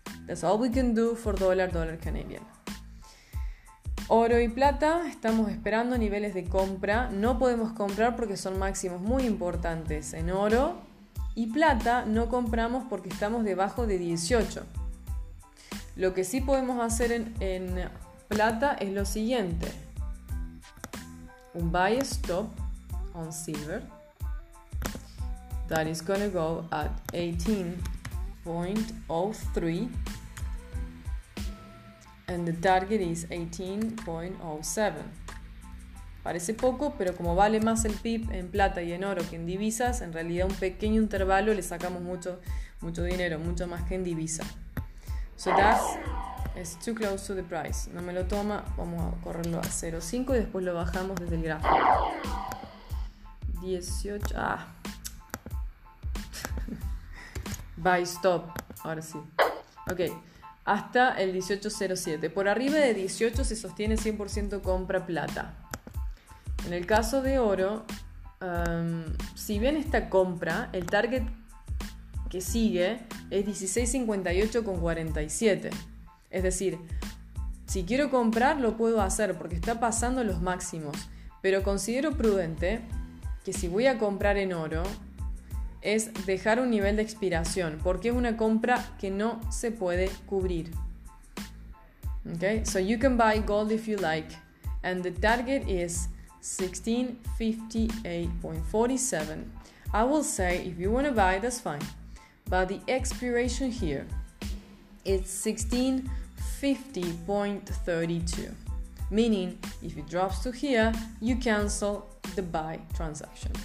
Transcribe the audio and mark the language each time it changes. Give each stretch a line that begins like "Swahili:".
English: That's all we can do for dollar Canadian.
Spanish: Oro y plata, estamos esperando niveles de compra. No podemos comprar porque son máximos muy importantes en oro. Y plata no compramos porque estamos debajo de 18. Lo que sí podemos hacer en plata es lo siguiente.
English: Un buy stop on silver. That is going to go at 18.03. And the target is 18.07.
Spanish: Parece poco, pero como vale más el pip en plata y en oro que en divisas, en realidad un pequeño intervalo le sacamos mucho, mucho dinero, mucho más que en divisa.
English: So that's it's too close to the price.
Spanish: No me lo toma, vamos a correrlo a 0.5 y después lo bajamos desde el gráfico. 18. Ah. Buy stop. Ahora sí. Ok. Hasta el 18.07. Por arriba de 18 se sostiene 100% compra plata. En el caso de oro, si bien esta compra, el target que sigue es 16.58.47. Es decir, si quiero comprar lo puedo hacer porque está pasando los máximos. Pero considero prudente que si voy a comprar en oro, es dejar un nivel de expiración, porque es una compra que no se puede cubrir.
English: Okay? So you can buy gold if you like, and the target is 1658.47. I will say if you want to buy, that's fine, but the expiration here is 1650.32, meaning if it drops to here, you cancel the buy transaction.